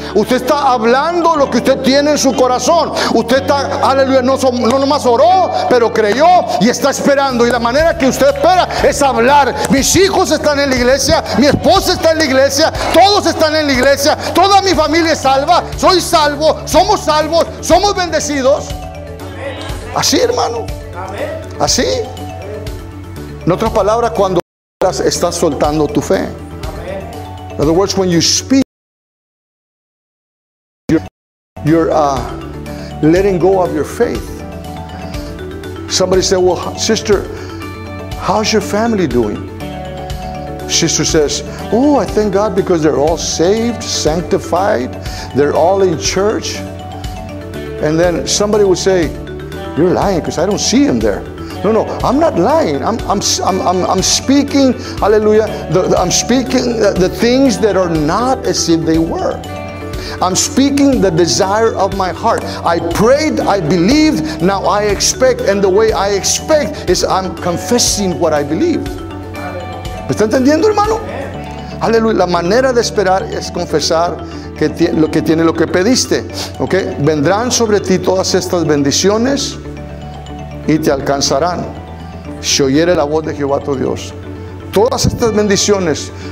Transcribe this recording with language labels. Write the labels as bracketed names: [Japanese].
[Spanish] Usted está hablando lo que usted tiene en su corazón. Usted está, aleluya, no nomás oró, pero creyó y está esperando. Y la manera que usted espera es hablar: mis hijos están en la iglesia, mi esposa está en la iglesia, todos están en la iglesia, toda mi familia es salva, soy salvo, somos salvos, somos bendecidos. Así, hermano. Así. En otras palabras, cuando hablas, estás soltando tu fe. [English] Amen. In other words, when you speak, you're letting go of your faith. Somebody said, well, sister, how's your family doing? Sister says, oh, I thank God because they're all saved, sanctified, they're all in church. And then somebody would say, You're lying because I don't see him there. No, no, I'm not lying. I'm speaking, hallelujah, I'm speaking the things that are not as if they were. I'm speaking the desire of my heart. I prayed, I believed, now I expect. And the way I expect is I'm confessing what I believe. [Spanish] ¿Me está entendiendo, hermano? Aleluya. La manera de esperar es confesar que lo que tiene, lo que pediste. Okay. Vendrán sobre ti todas estas bendiciones y te alcanzarán. Si oyere la voz de Jehová tu Dios. Todas estas bendiciones.